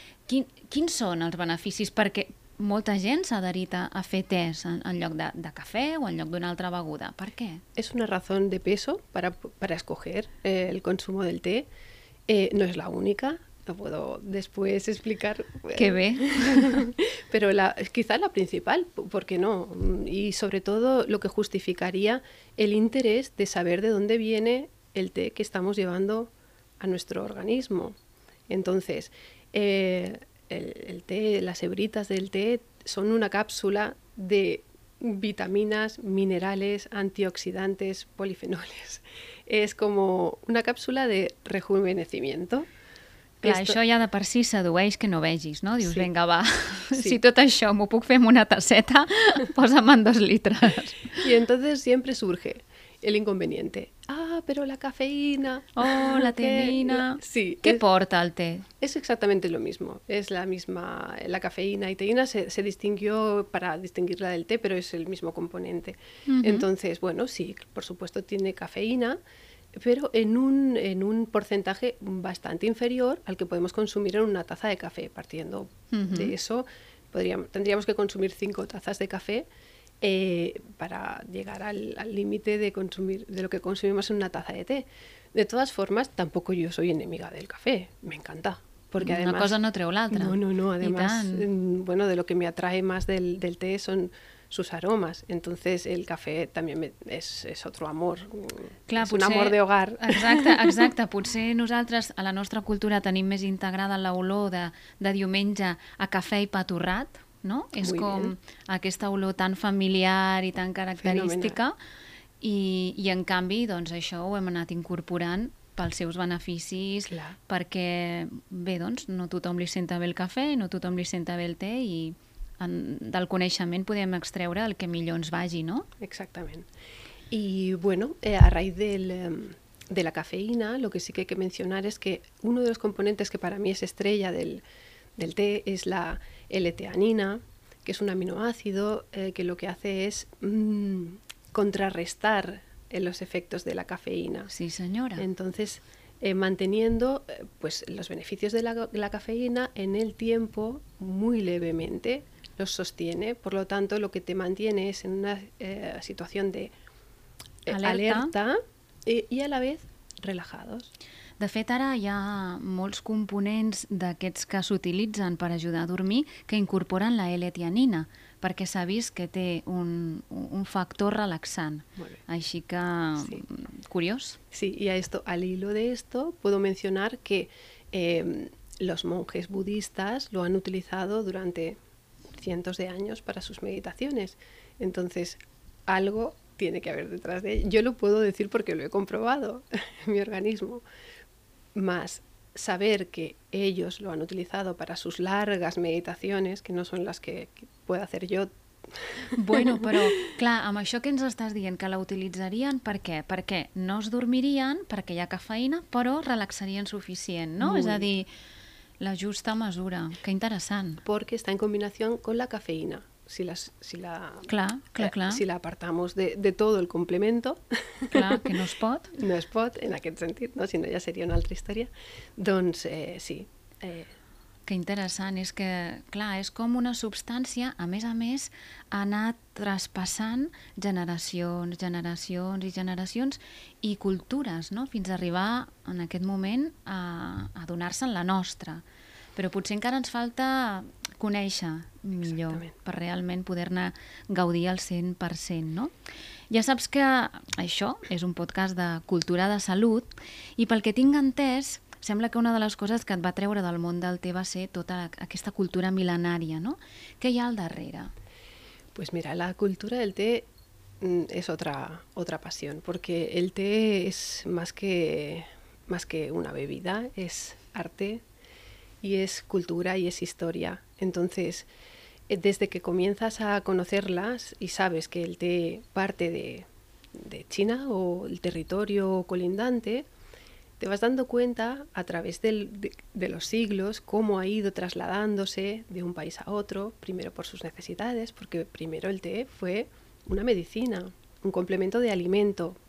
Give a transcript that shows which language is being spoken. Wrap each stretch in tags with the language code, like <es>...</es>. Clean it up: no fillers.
<ca>Quins són els beneficis? Perquè molta gent s'ha adherit a fer tés en lloc de cafè o en lloc d'una altra beguda. Per què? És una raó de peso per escoger el consum del té. No és l'única.</ca> <es>No puedo después explicar. Qué ve. Pero quizás la principal, ¿por qué no? Y sobre todo lo que justificaría el interés de saber de dónde viene el té que estamos llevando a nuestro organismo. Entonces, el té, las hebritas del té, son una cápsula de vitaminas, minerales, antioxidantes, polifenoles. Es como una cápsula de rejuvenecimiento.</es> <ca>Clar, això ja de per si sedueix que no vegis, no? Dius, sí, vinga, va, sí, si tot això m'ho puc fer amb una tasseta, posa'm en 2 litres.</ca> <es>Y entonces siempre surge el inconveniente. Ah, pero la cafeína. Oh, la teína. Sí. ¿Qué porta el té? Es exactamente lo mismo. Es la misma, la cafeína y teína se distinguió para distinguirla del té, pero es el mismo componente. Uh-huh. Entonces, bueno, sí, por supuesto tiene cafeína, pero en un porcentaje bastante inferior al que podemos consumir en una taza de café. Partiendo, uh-huh, de eso, tendríamos que consumir 5 tazas de café para llegar al límite de lo que consumimos en una taza de té. De todas formas, tampoco yo soy enemiga del café, me encanta. Porque además,</es> <ca>una cosa no treu l'altra.</ca> <es>No, además, bueno, de lo que me atrae más del té son sus aromas. Entonces el café también es otro amor.</es> <ca>Clar, és un amor de hogar. Exacte. Potser nosaltres a la nostra cultura tenim més integrada l'olor de diumenge a cafè i pa torrat, no? És</ca> <es>muy</es> <ca>com</ca> <es>bien</es> <ca>aquesta olor tan familiar i tan característica. I en canvi, doncs, això ho hem anat incorporant pels seus beneficis, clar, perquè bé, doncs, no tothom li senta bé el cafè, no tothom li senta bé el te, i del coneixement podem extreure el que millor ens vagi, no? Exactament. I bueno, a raïs de la cafeïna,</ca> <es>lo que sí que hay que mencionar es que uno de los componentes que para mí es estrella del té es la L-teanina, que es un aminoácido que lo que hace es contrarrestar los efectos de la cafeína. Sí, señora. Entonces, manteniendo pues los beneficios de la cafeína en el tiempo muy levemente, los sostiene. Por lo tanto, lo que te mantiene es en una situación de alerta</es> <ca>i a la vez relajados. De fet, ara hi ha molts components d'aquests que s'utilitzen per ajudar a dormir que incorporen la L-teanina, perquè s'ha vist que té un factor relaxant. Així que, sí, curiós.</ca> <es>Sí, y a esto, al hilo de esto, puedo mencionar que los monjes budistas lo han utilizado durante cientos de años para sus meditaciones. Entonces, algo tiene que haber detrás de ello. Yo lo puedo decir porque lo he comprobado en mi organismo. Más saber que ellos lo han utilizado para sus largas meditaciones, que no son las que puedo hacer yo. Bueno, pero claro,</es> <ca>amb això que ens estàs dient, que la utilitzarien per què? Perquè no es dormirien, perquè hi ha cafeïna, però relaxarien suficient, no? Muy... És a dir, la justa mesura. Qué interessant.</ca> <es>Porque está en combinación con la cafeína. Si la apartamos de todo el complemento,</es> <ca>clar, que no es pot. No es pot, en aquest sentit, no? Si no, ja seria una altra història. Doncs sí. Que interessant, és que, clar, és com una substància, a més, ha anat traspassant generacions, generacions i generacions i cultures, no? Fins a arribar en aquest moment a donar-se'n la nostra. Però potser encara ens falta conèixer millor. Exactament. Per realment poder-ne gaudir al 100%, no? Ja saps que això és un podcast de cultura de salut i pel que tinc entès, sembla que una de les coses que et va treure del món del té va ser tota aquesta cultura mil·lenària, no? Què hi ha al darrere?</ca> <es>Pues mira,</es> <ca>la cultura del té és otra passió, perquè el té és més que una bebida, és arte.</ca> <es>Y es cultura y es historia. Entonces, desde que comienzas a conocerlas y sabes que el té parte de China o el territorio colindante, te vas dando cuenta a través de los siglos cómo ha ido trasladándose de un país a otro, primero por sus necesidades, porque primero el té fue una medicina, un complemento de alimento.</es>